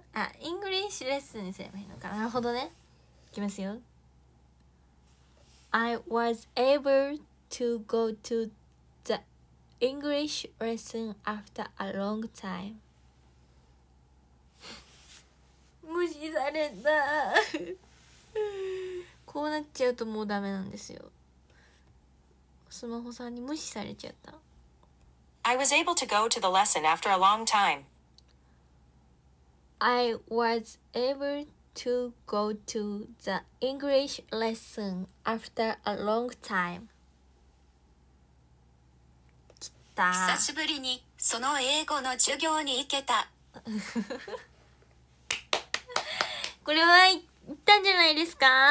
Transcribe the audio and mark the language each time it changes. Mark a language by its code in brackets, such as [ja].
[ja] あ、イングリッシュレッスンにすればいいのか。なるほどね。いきますよ。 [en] I was able to go to the English lesson after a long time. [ja] 無視された。こうなっちゃうともうダメなんですよ。スマホさんに無視されちゃった。 [en] I was able to go to the lesson after a long time. I was able to go to the English lesson after a long time. [ja] 来た。久しぶりにその英語の授業に行けた。これは行ったんじゃないですか？